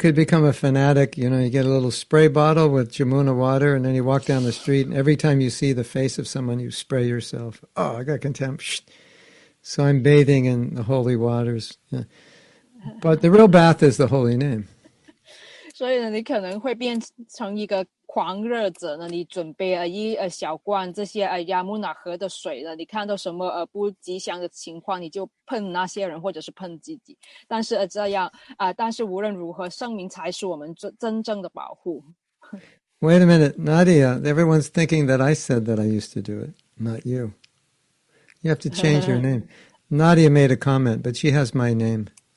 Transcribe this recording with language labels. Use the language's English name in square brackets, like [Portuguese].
[English] could become a fanatic, you know, you get a little spray bottle with Jamuna water and then you walk down the street and every time you see the face of someone, you spray yourself. Oh, I got contempt. So I'm bathing in the holy waters. Yeah. But the real bath is the holy name. [Chinese] 所以呢，你可能会变成一个狂热者呢。你准备一小罐这些亚穆纳河的水呢，你看到什么不吉祥的情况，你就喷那些人或者是喷自己。但是无论如何，圣明才是我们真正的保护。 [English] Wait a minute, Nadia. Everyone's thinking that I said that I used to do it, not you. You have to change your name. Nadia made a comment, but she has my name.